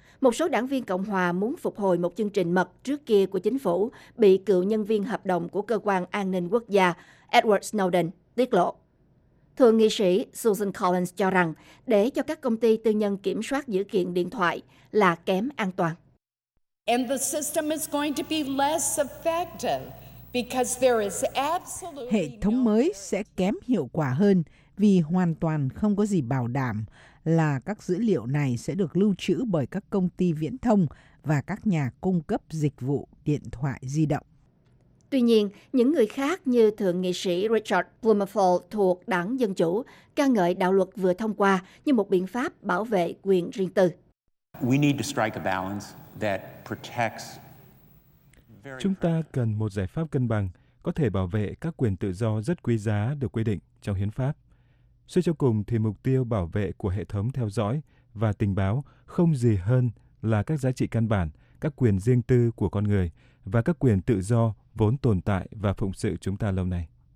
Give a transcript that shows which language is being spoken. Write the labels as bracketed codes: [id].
[vi] Một số đảng viên Cộng Hòa muốn phục hồi một chương trình mật trước kia của chính phủ bị cựu nhân viên hợp đồng của Cơ quan An ninh Quốc gia Edward Snowden tiết lộ. Thượng nghị sĩ Susan Collins cho rằng để cho các công ty tư nhân kiểm soát dữ kiện điện thoại là kém an toàn. [en] And the system is going to be less effective. [vi] Hệ thống mới sẽ kém hiệu quả hơn vì hoàn toàn không có gì bảo đảm là các dữ liệu này sẽ được lưu trữ bởi các công ty viễn thông và các nhà cung cấp dịch vụ điện thoại di động. Tuy nhiên, những người khác như Thượng nghị sĩ Richard Blumenthal thuộc Đảng Dân Chủ ca ngợi đạo luật vừa thông qua như một biện pháp bảo vệ quyền riêng tư. [en] We need to strike a balance that protects. [vi] Chúng ta cần một giải pháp cân bằng, có thể bảo vệ các quyền tự do rất quý giá được quy định trong hiến pháp. Suy cho cùng thì mục tiêu bảo vệ của hệ thống theo dõi và tình báo không gì hơn là các giá trị căn bản, các quyền riêng tư của con người và các quyền tự do vốn tồn tại và phụng sự chúng ta lâu nay.